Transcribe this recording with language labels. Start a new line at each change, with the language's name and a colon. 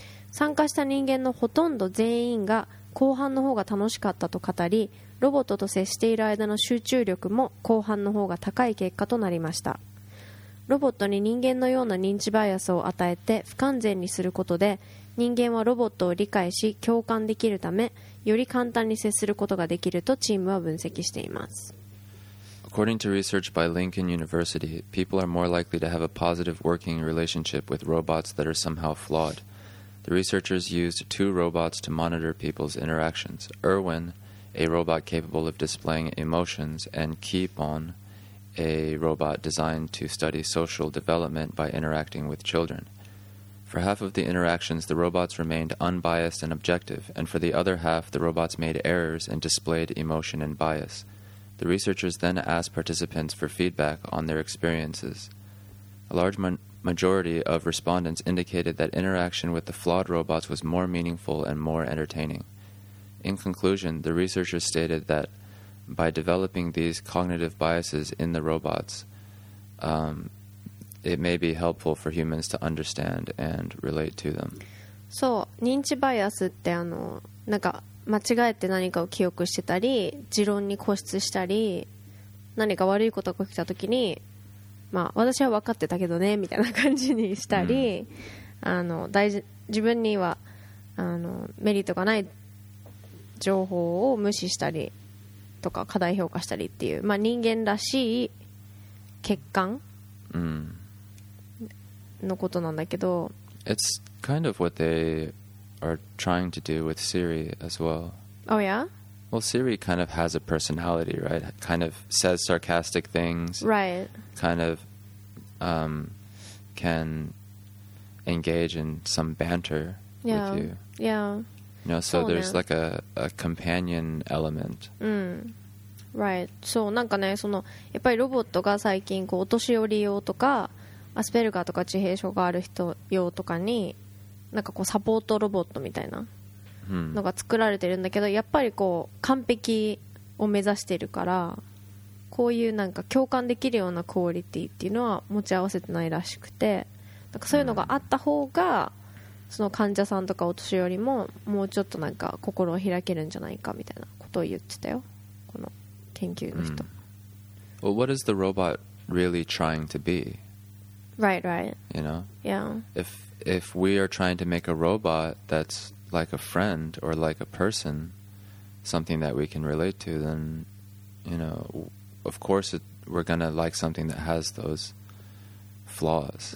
Japanese: 参加した人間のほとんど全員が後半の方が楽しかったと語り、ロボットと接している間の集中力も後半の方が高い結果となりました。ロボットに人間のような認知バイアスを与えて不完全にすることで、人間はロボットを理解し共感できるため、より簡単に接することができるとチームは分析しています。
English: According to research by Lincoln University, people are more likely to have a positive working relationship with robots that are somehow flawed. The researchers used two robots to monitor people's interactions: Erwin, a robot capable of displaying emotions, and Keepon, a robot designed to study social development by interacting with children. For half of the interactions, the robots remained unbiased and objective, and for the other half, the robots made errors and displayed emotion and bias. The researchers then asked participants for feedback on their experiences. A large majority of respondents indicated that interaction with the flawed robots was more meaningful and more entertaining. In conclusion, the researchers stated that by developing these cognitive biases in the robots, it may be helpful for humans to understand and relate to them.
Japanese: So, 認知バイアスってあの、なんか間違えて何かを記憶してたり、持論に固執したり、何か悪いことが起きた時に、まあ私は分かってたけどねみたいな感じにしたり、あの大事、自分にはあのメリットがない情報を無視したりとか、過大評価したりっていう、まあ人間らしい欠陥のことなんだけど、
English: It's kind of what theyare trying to do with Siri as well. Oh yeah? Well, Siri kind of has a personality, right? Kind of says sarcastic things. Right. Kind of can engage in some banter yeah. with you. Yeah. You know, so there's
Japanese: ね.
English: like a companion element. Right.
Japanese: そう、なんかね、そのやっぱりロボットが最近こうお年寄り用とか、アスペルガーとか自閉症がある人用とかに、なんかこうサポートロボットみたいなのが作られてるんだけど、やっぱりこう完璧を目指してるから、こういうなんか共感できるようなクオリティっていうのは持ち合わせてないらしくて、なんかそういうのがあった方が、その患者さんとかお年寄りももうちょっとなんか心を開けるんじゃないかみたいなことを言ってたよ、この研究の人。
English: Well, what is the robot really trying to be? Right, right. You know? Yeah. If we are trying to make a robot that's like a friend or like a person, something that we can relate to, then, you know, of course we're going to like something that has those flaws.